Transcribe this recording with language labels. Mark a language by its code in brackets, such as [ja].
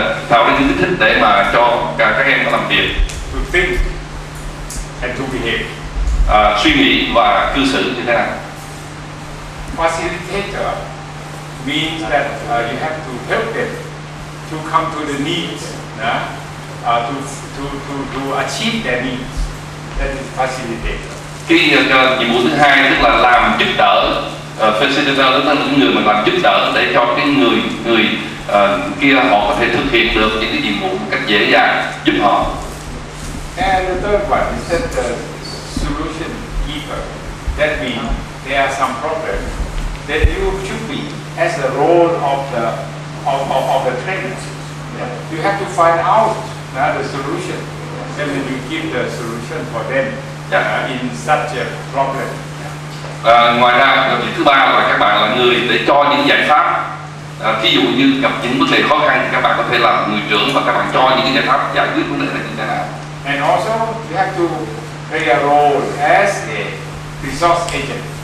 [vi] Tạo ra những kích thích để mà cho cả các em làm việc. [en] To think and to behave. [vi] Suy nghĩ và cư xử như thế nào. [en] Facilitator means that you have to help them to come to the needs, to achieve their needs. That is facilitator. [vi] Cái nhiệm vụ thứ hai tức là làm giúp đỡ, facilitator tức là những người mà làm giúp đỡ để cho cái người kia họ có thể thực hiện được những cái nhiệm vụ một cách dễ dàng, giúp họ. [en] And the third one is that the solution giver. That means there are some problems that you should be as the role of the of the trainers. Yeah. You have to find out the solution. And then you give the solution for them in such a problem. [vi] Ngoài ra, thứ ba là các bạn là người để cho những giải pháp. Ví dụ như gặp những vấn đề khó khăn thì các bạn có thể làm người trưởng và các bạn cho những giải pháp giải quyết vấn đề này như thế nào. [en] And also you have to play a role as a resource agent.